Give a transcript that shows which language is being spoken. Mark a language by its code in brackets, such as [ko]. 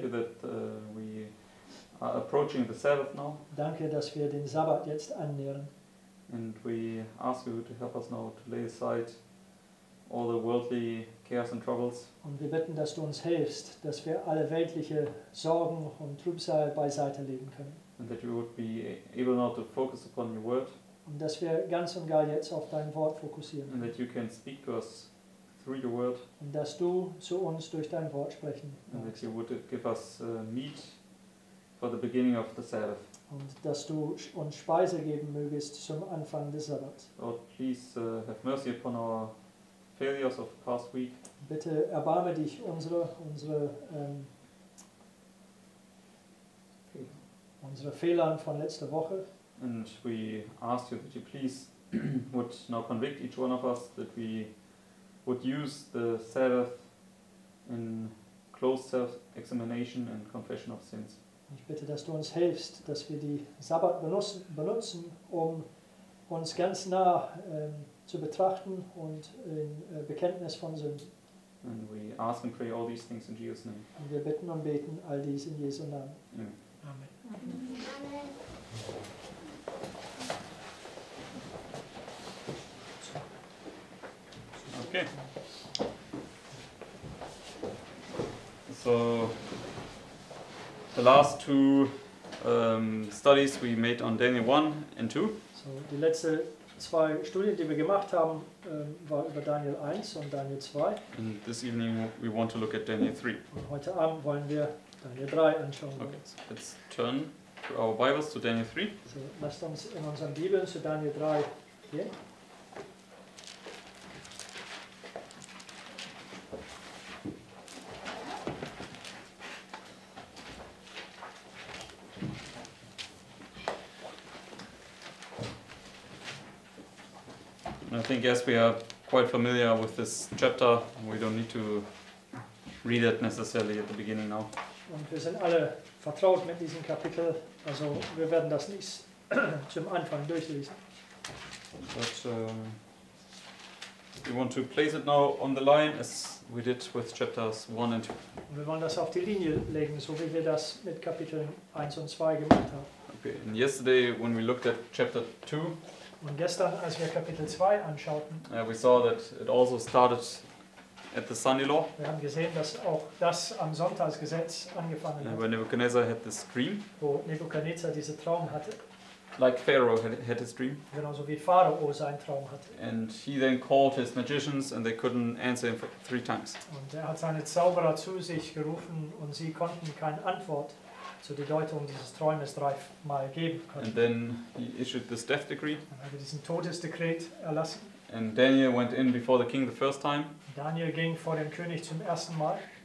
[en] Thank you that we are approaching the Sabbath now. [de] Danke, dass wir den Sabbat jetzt annähern. [en] And we ask you to help us now to lay aside all the worldly cares and troubles. [de] Und wir bitten, dass du uns hilfst, dass wir alle weltliche Sorgen und Trübsal beiseite legen können. [en] And that you would be able now to focus upon your word. [de] Und dass wir ganz und gar jetzt auf dein Wort fokussieren. [en] And that you can speak to us through your word. [de] Und dass du zu uns durch dein Wort sprechen kannst. [en] And that you would give us meat for the beginning of the Sabbath. [de] Und dass du uns Speise geben mögest zum Anfang des Sabbats. [en] Lord, please have mercy upon our failures of past week. [de] Bitte erbarme dich unsere Fehler von letzter Woche. [en] And we ask you that you please would now convict each one of us, that we would use the Sabbath in closed self-examination and confession of sins. [de] Ich bitte, dass du uns hilfst, dass wir die Sabbat benutzen, um uns ganz nah zu betrachten und in Bekenntnis von Sünden. [en] And we ask and pray all these things in Jesus' name. [de] Und wir bitten und beten all dies in Jesu Namen. [en] Amen. [de] Amen. [en] Okay. So, the last two studies we made on Daniel 1 and 2. [de] So, die letzte zwei Studien, die wir gemacht haben, war über Daniel 1 und Daniel 2. [en] And this evening we want to look at Daniel 3. [de] Und heute Abend wollen wir Daniel 3 anschauen. [en] Okay, so let's turn to our Bibles to Daniel 3. [de] So, lasst uns in unseren Bibeln zu Daniel 3 gehen. [en] I think, yes, we are quite familiar with this chapter. We don't need to read it necessarily at the beginning now. [de] Und wir sind alle vertraut mit diesem Kapitel, also wir werden das nicht zum Anfang durchlesen. [en] But we want to place it now on the line, as we did with chapters 1 and 2. [de] Und wir wollen das auf die Linie legen, so wie wir das mit Kapiteln 1 und 2 gemacht haben. [en] Okay, and yesterday when we looked at chapter 2, [de] und gestern, als wir Kapitel 2 anschauten, [en] we saw that it also started at the Sunday law. [de] Wir haben gesehen, dass auch das am Sonntagsgesetz angefangen hat. [en] When Nebuchadnezzar had this dream. [de] Wo Nebuchadnezzar diesen Traum hatte. [en] Like Pharaoh had his dream. [de] Genauso wie Pharao seinen Traum hatte. [en] And he then called his magicians and they couldn't answer him for 3 times. [de] Und er hat seine Zauberer zu sich gerufen und sie konnten keine Antwort zu der Deutung dieses Träumes 3-mal geben konnten. [en] And then he issued this death decree. [de] Dann hat er diesen Todesdekret erlassen. [en] And Daniel went in before the king the first time. [de] Daniel ging vor dem König zum ersten Mal.